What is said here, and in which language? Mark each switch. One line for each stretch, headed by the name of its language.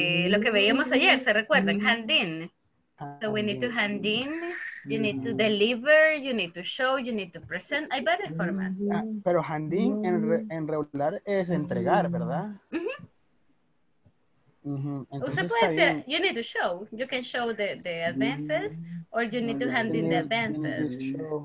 Spanish: Lo que veíamos ayer, ¿se recuerdan?
English: Hand in. So we need to hand in, you need to deliver, you need to show, you need to present.
Spanish: Hay varias formas. Pero hand in en regular es entregar, ¿verdad? Usted puede decir,
English: you need to show. You can show the advances, or you need to hand in the advances.